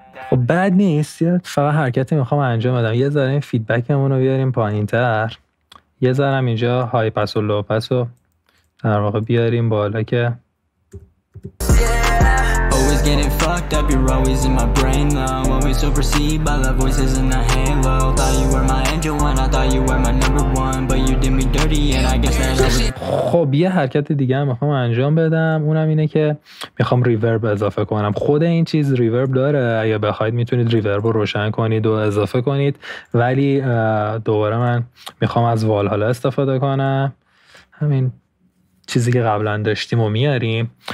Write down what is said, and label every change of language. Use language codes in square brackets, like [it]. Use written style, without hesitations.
[fa] خب بد نیست، فقط حرکتی میخوام انجام بدم، یه ذره این فیدبکمون رو بیاریم پایین تر، یه ذره اینجا های پس و لو پس رو در واقع بیاریم بالا که [en] getting fucked up, you're always in my brain now. Always overseen by the voices in the halo. Thought you were my angel when I thought you were my number one. But you did me dirty and I guess that I was... [fa] خب یه حرکت دیگه هم میخوام انجام بدم، اونم اینه که میخوام ریورب اضافه کنم. خود این چیز ریورب داره، اگه بخواید میتونید ریورب رو روشن کنید و اضافه کنید، ولی دوباره من میخوام از والهالا استفاده کنم، همین چیزی که قبلا داشتیم و میاریم.